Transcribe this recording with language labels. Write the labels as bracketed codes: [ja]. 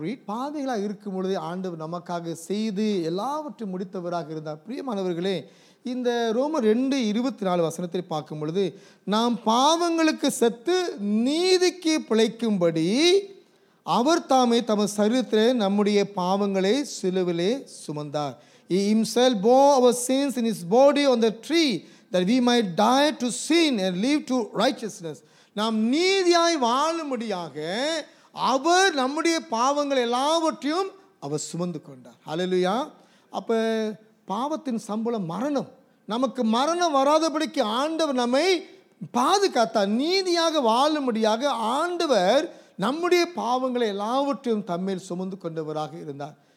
[ta] பாதைகளாக இருக்கும் பொழுதே ஆண்டவர் நமக்காக செய்து எல்லாவற்றையும் முடித்தவராக இருந்தார். பிரியமானவர்களே, இந்த ரோமர் 2:24 வசனத்தை பார்க்கும் பொழுது, நாம் பாவங்களுக்கு செத்து நீதிக்கு பிழைக்கும்படி அவர் தாமே தமது சரீரத்தில் நம்முடைய பாவங்களை சிலுவிலே சுமந்தார். [en] He himself bore our sins in his body on the tree that we might die to sin and live to righteousness. [ta] நாம் நீதியாய் வாழும்படியாக அவர் நம்முடைய பாவங்கள் எல்லாவற்றையும் அவர் சுமந்து கொண்டார். ஹல்லேலூயா. அப்போ பாவத்தின் சம்பளம் மரணம். நமக்கு மரணம் வராதபடிக்கு ஆண்டவர் நம்மை பாதுகாத்தார். நீதியாக வாழும்படியாக ஆண்டவர் நம்முடைய பாவங்களை எல்லாவற்றையும் தம்மேல் சுமந்து கொண்டவராக இருந்தார்.